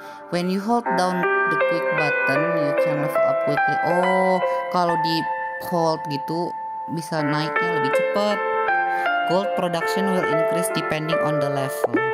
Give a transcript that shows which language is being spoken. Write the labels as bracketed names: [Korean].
[English] When you hold down the quick button, you can level up quickly. [Indonesian] Oh, kalau di hold gitu bisa naiknya lebih cepat. [English] Gold production will increase depending on the level.